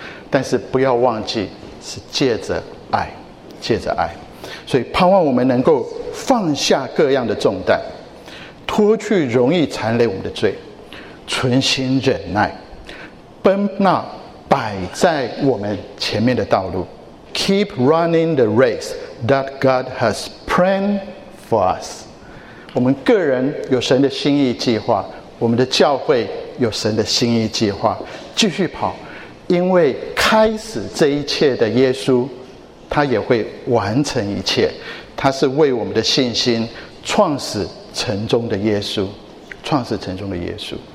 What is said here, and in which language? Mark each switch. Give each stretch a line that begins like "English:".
Chinese: 但是不要忘记，是借着爱，借着爱。所以盼望我们能够放下各样的重担，脱去容易缠累我们的罪，存心忍耐，奔那摆在我们前面的道路。
English: Keep running the race that God has planned for us。
Chinese: 我们个人有神的心意计划，我们的教会有神的心意计划，继续跑，因为开始这一切的耶稣，他也会完成一切，他是为我们的信心创始成终的耶稣，创始成终的耶稣。